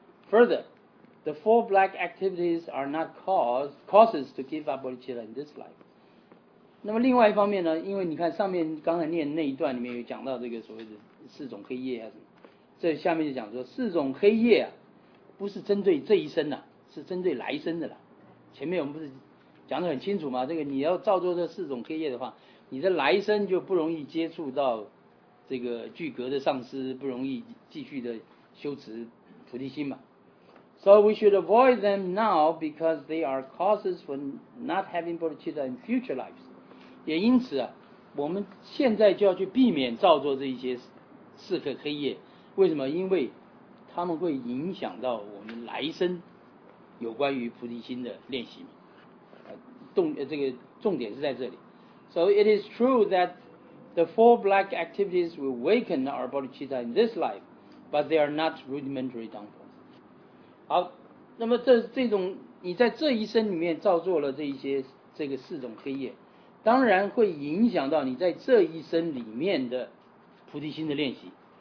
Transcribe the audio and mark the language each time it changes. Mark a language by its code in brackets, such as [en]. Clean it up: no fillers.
[en] Further， the four black activities are not causes to give up bodhicitta in this life。 [zh] 那么另外一方面呢，因为你看上面刚才念那一段里面有讲到这个所谓的四种黑夜啊什么。这下面就讲说，四种黑夜啊，不是针对这一生的，是针对来生的了。前面我们不是讲得很清楚吗？这个你要照做这四种黑夜的话，你的来生就不容易接触到这个具格的上师，不容易继续的修持菩提心嘛。 [en] So we should avoid them now because they are causes for not having bodhicitta in future lives。 [zh] 也因此啊，我们现在就要去避免照做这一些四个黑夜。为什么？因为他们会影响到我们来生有关于菩提心的练习。这个重点是在这里。 [en] So it is true that the four black activities will weaken our bodhicitta in this life, but they are not rudimentary downfalls. [zh] 好，那么这种你在这一生里面造作了这个四种黑夜，当然会影响到你在这一生里面的菩提心的练习。